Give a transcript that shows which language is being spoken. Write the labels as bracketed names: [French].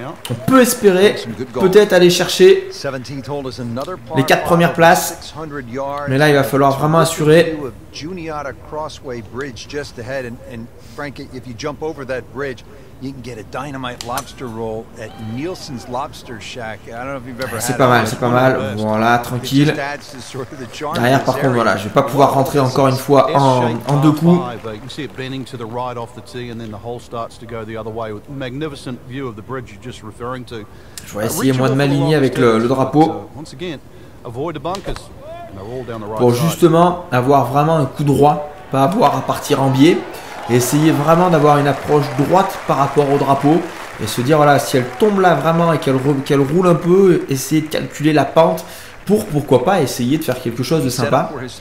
[French] On peut espérer peut-être aller chercher les 4 premières places. Mais là, il va falloir vraiment assurer. [English] Juniata Crossway Bridge just ahead. And Frank, if you jump over that bridge, you can get a dynamite lobster roll at Nielsen's Lobster Shack. I don't know if you've ever had. [French] C'est pas mal, c'est pas mal. Voilà, tranquille. Derrière, par contre, voilà, je vais pas pouvoir rentrer encore une fois en deux coups. [English] You can see it bending to the right off the tee, and then the hole starts to go the other way. Magnificent view of the bridge you're just referring to. [French] Je vais essayer moi de m'aligner avec le drapeau. [English] Once again, avoid the bunkers. [French] Pour justement avoir vraiment un coup droit, pas avoir à partir en biais. Et essayer vraiment d'avoir une approche droite par rapport au drapeau. Et se dire, voilà, si elle tombe là vraiment et qu'elle roule un peu, essayer de calculer la pente pour, pourquoi pas, essayer de faire quelque chose de sympa.